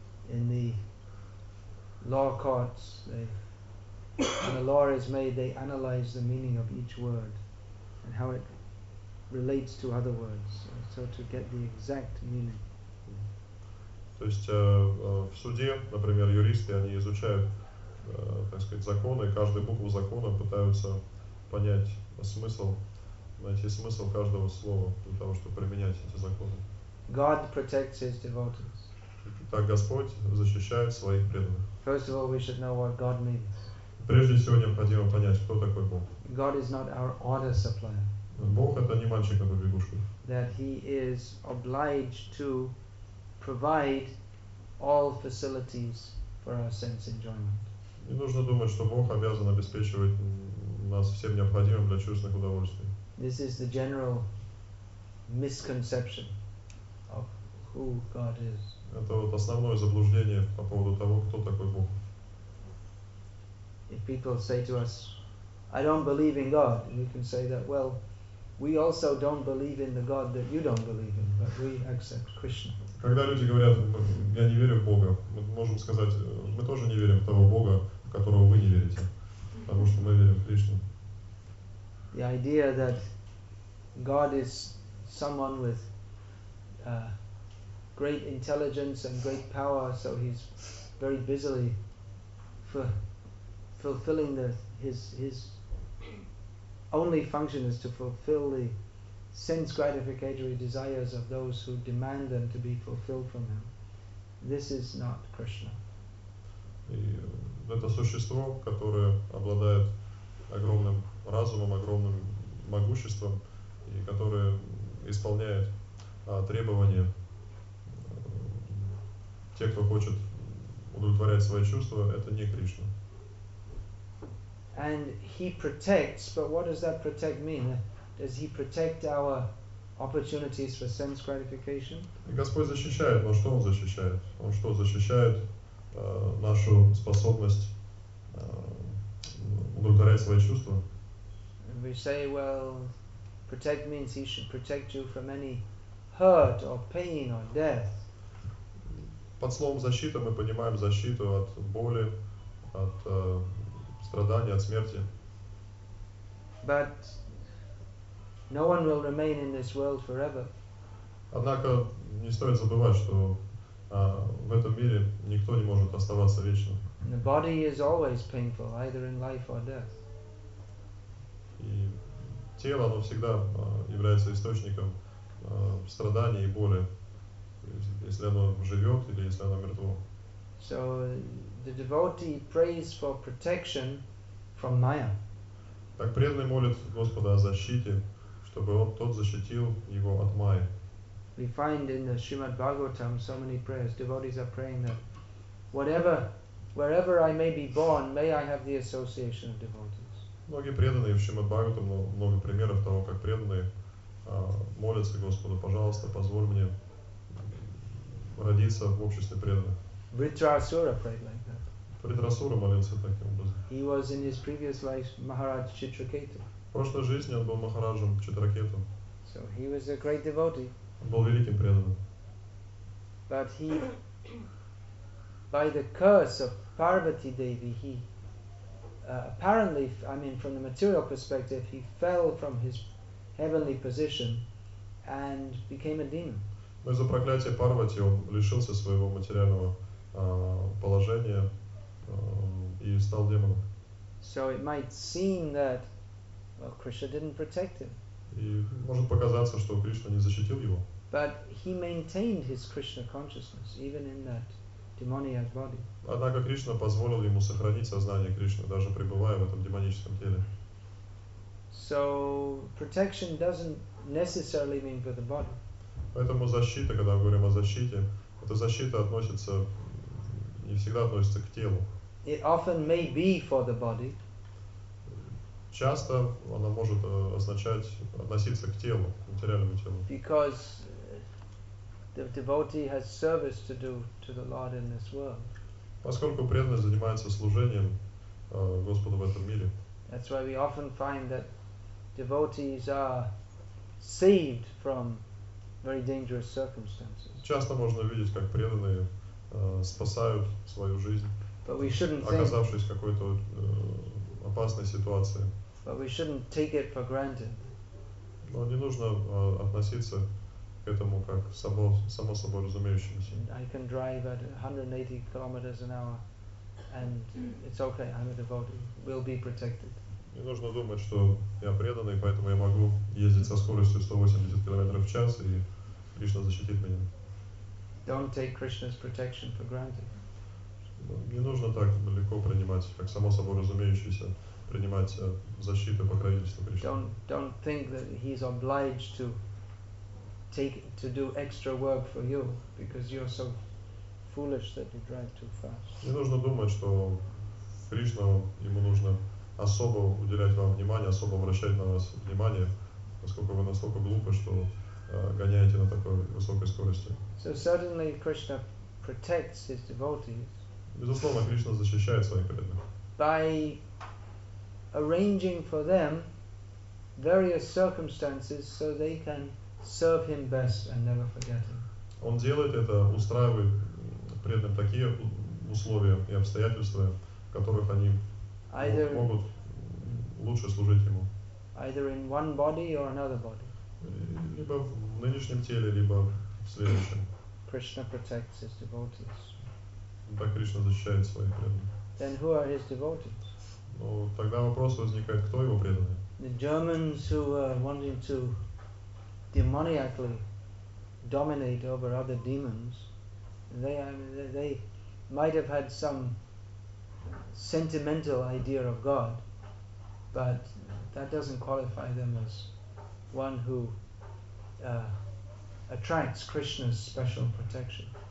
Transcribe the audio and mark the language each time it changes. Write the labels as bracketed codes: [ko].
[en] In the law courts, when a law is made, they analyze the meaning of each word and how it relates to other words, so to get the exact meaning. [ru] То есть в суде, например, юристы, они изучают, так сказать, законы, каждую букву закона пытаются понять смысл, найти смысл каждого слова для того, чтобы применять эти законы. [en] God protects his devotees. [ru] Так Господь защищает своих преданных. [en] First of all, we should know what God means. [ru] Прежде всего необходимо понять, кто такой Бог. [en] God is not our order supplier. [ru] Бог это не мальчик на побегушке. [en] That he is obliged to provide all facilities for our sense enjoyment. [ru] Не нужно думать, что Бог обязан обеспечивать нас всем необходимым для чувственных удовольствий. [en] This is the general misconception of who God is. [ru] Это вот основное заблуждение по поводу того, кто такой Бог. [en] If people say to us, I don't believe in God, and we can say that, well, we also don't believe in the God that you don't believe in, but we accept Krishna. [ru] Когда люди говорят, я не верю в Бога, мы можем сказать, мы тоже не верим в того Бога, в которого вы не верите, потому что мы верим в Кришну. [en] The idea that God is someone with great intelligence and great power, so he's very busily fulfilling his only function is to fulfill the sense gratificatory desires of those who demand them to be fulfilled from him. This is not Krishna. [ru] И это существо, которое обладает огромным разумом, огромным могуществом, и которое исполняет требования тех, кто хочет удовлетворять свои чувства, это не Кришна. [en] And he protects, but what does that protect mean? Does he protect our opportunities for sense gratification? [ru] Господь защищает, но что он защищает? Он что, защищает нашу способность удовлетворять свои чувства? [en] And we say, well, protect means he should protect you from any hurt or pain or death. [ru] Под словом защита мы понимаем защиту от боли, от страдания, от смерти. [en] But no one will remain in this world forever. [ru] Однако не стоит забывать, что в этом мире никто не может оставаться вечно. [en] The body is always painful, either in life or death. [ru] И тело, оно всегда является источником страдания и боли, если оно живет или если оно мертво. [en] So the devotee prays for protection from Maya. [ru] Так преданный молит Господа о защите, чтобы он тот защитил его от Майи. [en] We find in the Srimad Bhagavatam so many prayers. Devotees are praying that whatever, wherever I may be born, may I have the association of devotees. [ru] Многие преданные в Шримад Бхагаватам, много примеров того, как преданные молятся Господу, пожалуйста, позволь мне родиться в обществе преданных. [en] Vritrasura prayed like that. [ru] Vritrasura молился таким образом. [en] He was in his previous life Maharaj Chitraketu. [ru] В прошлой жизни он был Махараджем Читракету. [en] So he was a great devotee. [ru] Он был великим преданным. [en] But he, by the curse of Parvati Devi, he apparently, I mean, from the material perspective, he fell from his heavenly position and became a demon. [ru] Но из-за проклятия Парвати он лишился своего материального положения и стал демоном. [en] So it might seem that, well, Krishna didn't protect him. [ru] И может показаться, что Кришна не защитил его. [en] But he maintained his Krishna consciousness even in that demoniac body. [ru] Однако Кришна позволил ему сохранить сознание Кришны, даже пребывая в этом демоническом теле. [en] So protection doesn't necessarily mean for the body. [ru] Поэтому защита, когда мы говорим о защите, эта защита относится не всегда относится к телу. [en] It often may be for the body. [ru] Часто она может означать относиться к телу, к материальному телу. [en] Because the devotee has service to do to the Lord in this world. [ru] Поскольку преданный занимается служением Господу в этом мире. [en] That's why we often find that devotees are saved from very dangerous circumstances. [ru] Часто можно видеть, как преданные спасают свою жизнь, оказавшись в какой-то опасной ситуации. [en] But we shouldn't take it for granted. [ru] Но не нужно относиться к этому как само собой разумеющемуся. [en] I can drive at 180 kilometers an hour, and it's okay. I'm a devotee. We'll be protected. [ru] Не нужно думать, что я преданный, поэтому я могу ездить со скоростью 180 км в час, и Кришна защитит меня. [en] Don't take Krishna's protection for granted. [ru] Не нужно так легко принимать, как само собой разумеющееся, принимать защиту и покровительство Кришны. [en] Don't think that he's obliged to take to do extra work for you because you're so foolish that you drive too fast. [ru] Не нужно думать, что Кришна ему нужно особо уделять вам внимание, особо обращать на вас внимание, поскольку вы настолько глупы, что гоняете на такой высокой скорости. [en] So certainly Krishna protects his devotees. [ru] Безусловно, Кришна защищает своих преданных. [en] By arranging for them various circumstances so they can serve him best and never forget him. [ru] Он делает это, устраивает преданным такие условия и обстоятельства, в которых они [en] either [ru] могут лучше служить ему. [en] Either in one body or another body. [ru] Либо в нынешнем теле, либо в следующем. [en] Krishna protects his devotees. [ru] Так Кришна защищает своих преданных. [en] Then who are his devotees? [ru] Ну, тогда вопрос возникает, кто его преданный? [en] The Germans who are wanting to demoniacally dominate over other demons, they might have had some sentimental idea of God, but that doesn't qualify them as one who attracts Krishna's special protection.